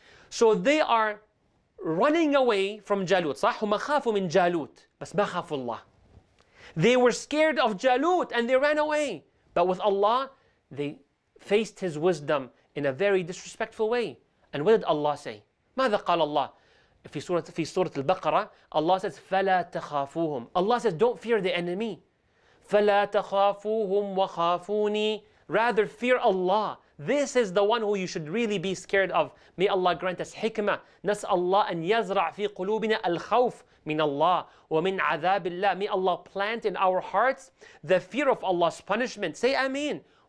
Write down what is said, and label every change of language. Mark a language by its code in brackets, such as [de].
[en] So they are running away from Jalut. [ar] صح? هم خافوا من جالوت. بس ما خافوا الله. [en] They were scared of Jalut and they ran away. But with Allah, they faced his wisdom in a very disrespectful way. And what did Allah say? [ar] ماذا قال الله? في سورة البقرة, [en] Allah says, [ar] فلا تخافوهم. [en] Allah says, don't fear the enemy. [ar] فلا تخافوهم وخافوني. [en] Rather fear Allah. This is the one who you should really be scared of. May Allah grant us hikmah. [ar] نسأل الله أن يزرع في قلوبنا الخوف من الله ومن عذاب الله. [en] May Allah plant in our hearts the fear of Allah's punishment. Say Ameen.